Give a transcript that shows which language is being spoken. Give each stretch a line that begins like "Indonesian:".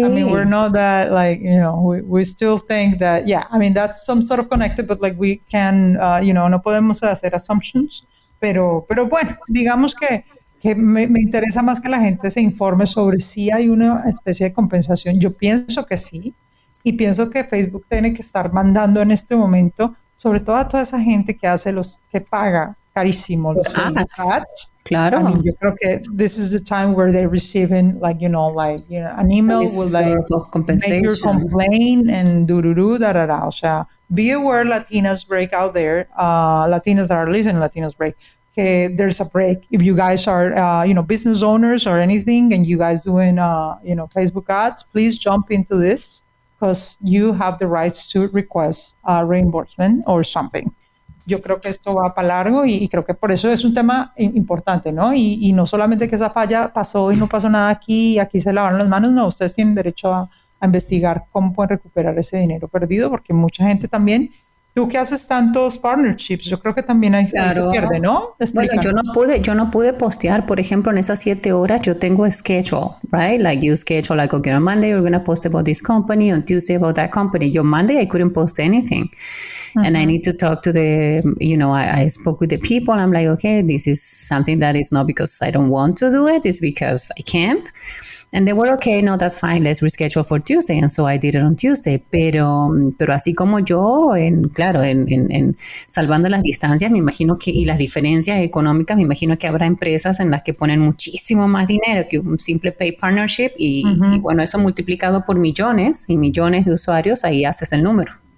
English: I mean, we're not that, like, you know, we still think that, yeah, I mean, that's some sort of connected, but like we can, you know,
Spanish: no podemos hacer assumptions, pero bueno, digamos que me interesa más que la gente se informe sobre si hay una especie de compensación. Yo pienso que sí, y pienso que Facebook tiene que estar mandando en este momento, sobre todo a toda esa gente que hace que paga carísimo los ads. Claro.
English: I mean,
Spanish: yo creo que
English: this is the time where they're receiving, like, you know, like, you know, an email with like compensation. Make your complaint and do da da da. O sea, be aware, Latinas break out there, Latinas that are listening, Latinos break. Que there's a break. If you guys are, you know, business owners or anything, and you guys doing, you know, Facebook ads, please jump into this because you have the rights to request reimbursement or something.
Spanish: Yo creo que esto va para largo y creo que por eso es un tema importante, ¿no? Y no solamente que esa falla pasó y no pasó nada aquí se lavaron las manos, no, ustedes tienen derecho a investigar cómo pueden recuperar ese dinero perdido, porque mucha gente también, tú que haces tantos partnerships, yo creo que también ahí, claro, se pierde, ¿no? Explícanos. Bueno, yo no pude postear, por ejemplo, en esas 7 horas, yo tengo schedule, right?
English: Like you schedule, like, okay, on Monday you're going to post about this company, on Tuesday about that company. Yo Monday I couldn't post anything. And I need to talk to the, you know, I spoke with the people. I'm like, okay, this is something that is not because I don't want to do it. It's because I can't. And they were okay, no, that's fine. Let's reschedule for Tuesday. And so I did it on Tuesday.
Spanish: Pero así como yo, en salvando las distancias, me imagino que, y las diferencias económicas, me imagino que habrá empresas en las que ponen muchísimo más dinero que un simple pay partnership. Y, uh-huh, y bueno, eso multiplicado por millones y millones de usuarios, ahí haces el número.